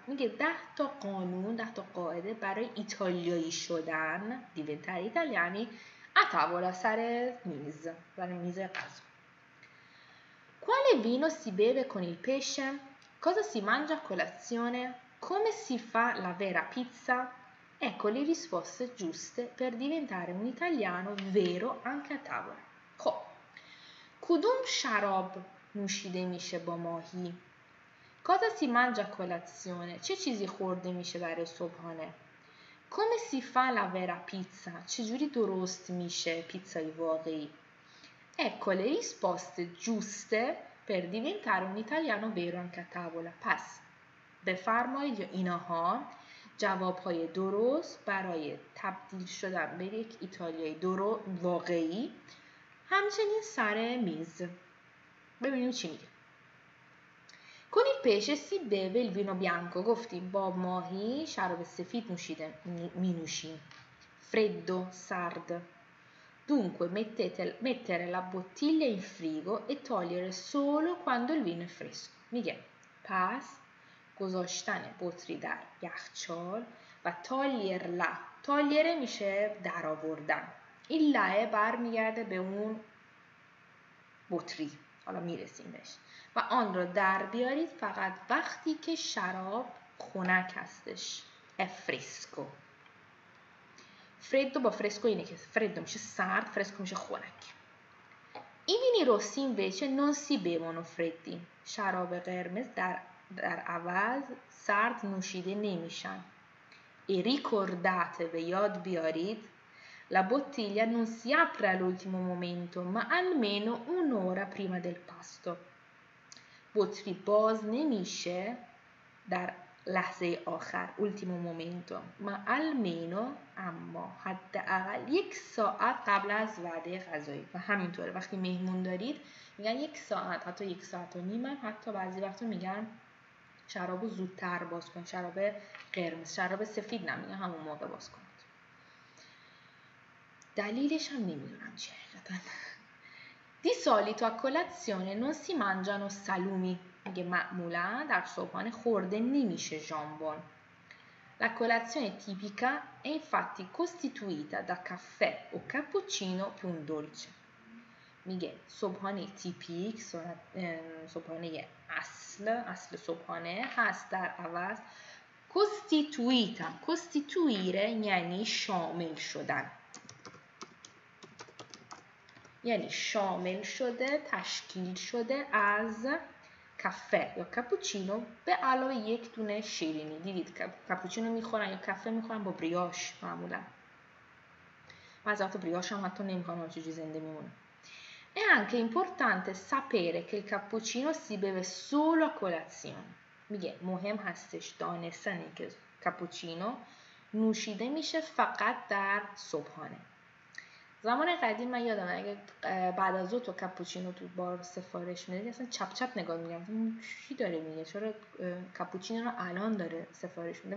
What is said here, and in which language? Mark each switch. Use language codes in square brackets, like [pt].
[fa] میگه 10 تا قانون، 10 تا قاعده برای ایتالیایی شدن، [it] diventare italiani a tavola، [fa] سر میز، سر میز غذا. [it] Quale vino si beve con il pesce? Cosa si mangia a colazione? Come si fa la vera pizza? Ecco le risposte giuste per diventare un italiano vero anche a tavola. [fa] خب. کدوم شراب نوشیده میشه با ماهی؟ [it] Cosa si mangia a colazione؟ [fa] چه چیزی خورده میشه برای صبحانه؟ [it] Come si fa la vera pizza؟ [fa] چجوری درست میشه پیتزای واقعی؟ [it] Ecco le risposte giuste per diventare un italiano vero anche a tavola. [fa] پس بفرمایید اینها جوابهای درست برای تبدیل شدن به یک ایتالیایی درست واقعی همچنین سر میز. ببینیم چی میگه. [it] Con il pesce si beve il vino bianco. [fa] گفتیم با ماهی شراب سفید نوشیده می نوشیم. [it] Freddo, sard. Dunque mettere la bottiglia in frigo e togliere solo quando il vino è fresco. [fa] میگه پس گذاشتن بطری در یخچال و toglierla. Togliere میشه در آوردن. Il lae برمیگرده به اون بطری. حالا میرسیم بهش. و آن را در بیارید فقط وقتی که شراب خنک هستش. افرسکو. فردو با فرسکو اینه که فردو میشه سرد، فرسکو میشه خنک. این وینی روسی اینوچه نون سی بیمونو فردی. شراب قرمز در عوض سرد نوشیده نمیشن. ای ریکورداته به یاد بیارید. [it] La bottiglia non si apre all'ultimo momento, ma almeno un'ora prima del pasto. [fa] بطری باز نمیشه در لحظه آخر، [it] ultimo momento, ma almeno, [fa] اما حداقل یک ساعت قبل از وعده غذایی. و همینطوره وقتی مهمون دارید میگن یک ساعت، حتی یک ساعت و نیم، حتی بعضی وقتا میگن شرابو زودتر باز کن، شراب قرمز، شراب سفید نمیگن، همون موقع باز کن. دلیلش هم نمیدونم چیه حقیقتا. [it] Di solito a colazione non si mangiano salumi. [fa] میگه معمولا در صبحانه خورده نمیشه ژامبون. [it] La colazione tipica è infatti costituita da caffè o cappuccino più un dolce. [fa] میگه صبحانه تیپیک، صبحانه اصل صبحانه هست در عوض costituita. Costituire یعنی شامل شدن، یعنی شامل شده، تشکیل شده از کافه یا کاپوچینو به علاوه یک دونه شیرینی. دیدید کاپوچینو میخورن یا کافه میخورن با بریاش معمولا. بعضی وقتا بریاش هم حتی نمیخورن، چیزی زنده میمونه. [it] È anche importante sapere che il cappuccino si beve solo a colazione. [fa] میگه مهم هستش دانستن که کاپوچینو نوشیده میشه فقط در صبحانه. زمان قدیم من یادم اگه بعد از ظهر تو کاپوچینو تو بار سفارش میدادی اصلا چپ چپ نگاه میکردم چی داره میگه، چرا کاپوچینو رو الان داره سفارش میده.